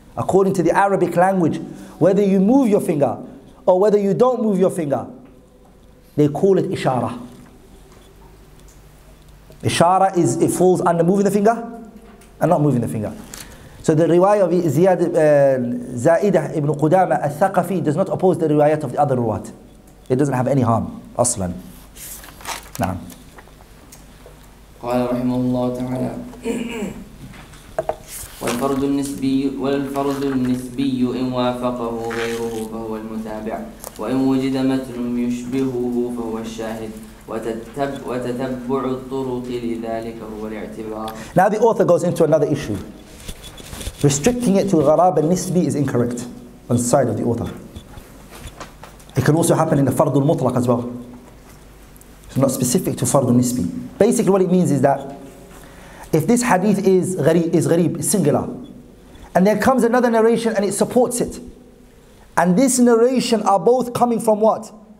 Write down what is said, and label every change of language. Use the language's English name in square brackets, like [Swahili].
[English] According to the Arabic language, whether you move your finger or whether you don't move your finger, they call it ishara. Ishara is, it falls under moving the finger and not moving the finger. So the riwayah of Zaidah ibn Qudama al-Thaqafi does not oppose the riwayat of the other ruwat. It doesn't have any harm, aslan. Na'am. [Arabic] قال رحمه الله تعالى والفرد النسبي إن وافقه غيره فهو المتابع وإن وجد متن يشبهه فهو الشاهد وتتبع الطرق لذلك هو الاعتبار. [English] Now the author goes into another issue. Restricting it to gharab al-nisbi is incorrect on the side of the author. It can also happen in the fardu al-mutlaq as well. It's not specific to fardu al-nisbi. Basically what it means is that if this hadith is gharib, is singular, and there comes another narration and it supports it, and this narration are both coming from what?